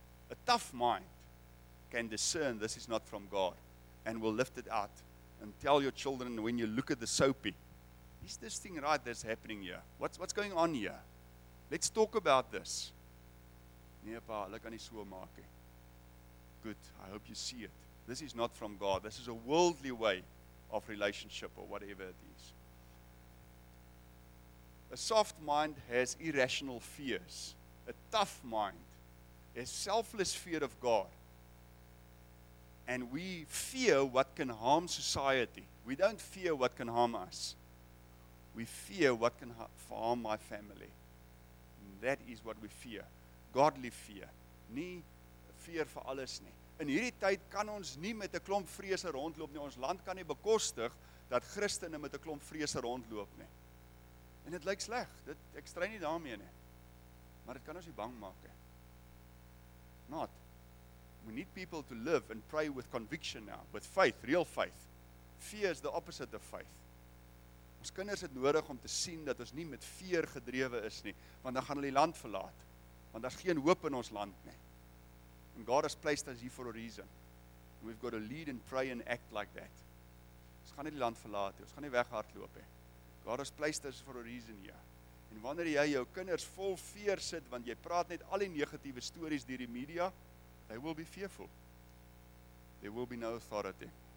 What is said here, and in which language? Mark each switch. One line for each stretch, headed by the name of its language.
English: A tough mind can discern this is not from God and will lift it out and tell your children when you look at the soapy, is this thing right that's happening here? What's going on here? Let's talk about this.
Afrikaans: Nee pa, hulle kan nie so maak nie.
English: Good, I hope you see it. This is not from God. This is a worldly way of relationship or whatever it is. A soft mind has irrational fears. A tough mind has selfless fear of God. And we fear what can harm society. We don't fear what can harm us. We fear what can harm my family. And that is what we fear. Godly fear.
Afrikaans: Nie fear vir alles nie. In hierdie tyd kan ons nie met 'n klomp vrese rondloop nie. Ons land kan nie bekostig dat Christene met 'n klomp vrese rondloop nie. En dit lyk sleg. Dit ek stry nie daarmee nie. Maar dit kan ons nie bang maak nie.
English: Not. We need people to live and pray with conviction now, with faith, real faith. Fear is the opposite of faith.
Afrikaans: Ons kinders het nodig om te sien dat ons nie met fear gedrewe is nie, want dan gaan hulle die land verlaat. Want daar's geen hoop in ons land nie.
English: And God has placed us here for a reason. We've got to lead and pray and act like that.
Afrikaans: Ons gaan nie die land verlaat nie. Ons gaan nie weghardloop nie.
English: God has placed us for a reason here.
Afrikaans: En wanneer jy jou kinders vol fear sit, want jy praat net al die negatiewe stories deur die media,
English: they will be fearful. There will be no authority.